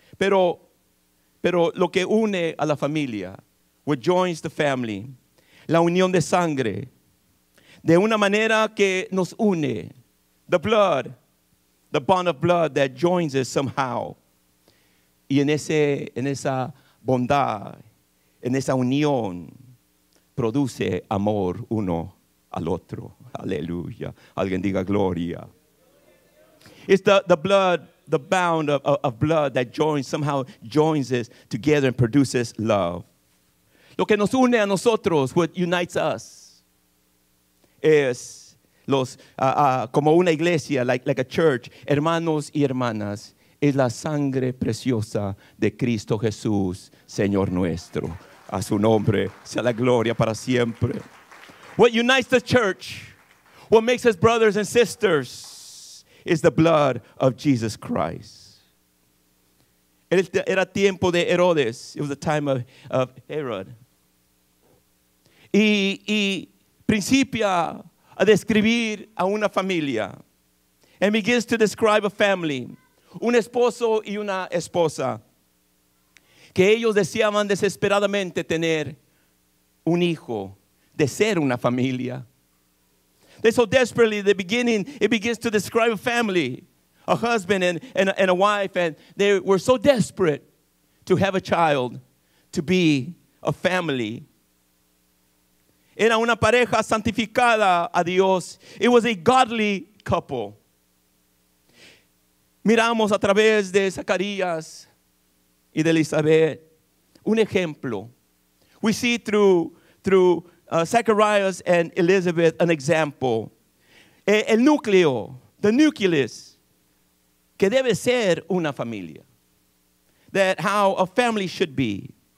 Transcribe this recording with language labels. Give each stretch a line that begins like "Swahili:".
Spanish: Pero lo que une a la familia,
English: what joins the family,
Spanish: la unión de sangre, de una manera que nos une,
English: the blood, the bond of blood that joins us somehow.
Spanish: Y en esa bondad, en esa unión, produce amor uno al otro. Aleluya. Alguien diga gloria.
English: It's the blood, the bond of blood that somehow joins us together and produces love.
Spanish: Lo que nos une a nosotros,
English: what unites us,
Spanish: es los como una iglesia,
English: like a church,
Spanish: hermanos y hermanas, es la sangre preciosa de Cristo Jesús, Señor nuestro. A su nombre sea la gloria para siempre.
English: What unites the church, what makes us brothers and sisters, is the blood of Jesus Christ.
Spanish: Era tiempo de Herodes.
English: It was the time of Herod.
Spanish: Y principia a describir a una familia.
English: And begins to describe a family.
Spanish: Un esposo y una esposa. Que ellos deseaban desesperadamente tener un hijo. De ser una familia.
English: They so desperately, the beginning, it begins to describe a family, a husband and a wife, and they were so desperate to have a child, to be a family.
Spanish: Era una pareja santificada a Dios.
English: It was a godly couple.
Spanish: Miramos a través de Zacarías y de Elizabeth un ejemplo.
English: We see through Zacharias and Elizabeth, an example.
Spanish: El núcleo,
English: the nucleus,
Spanish: que debe ser una familia.
English: That how a family should be.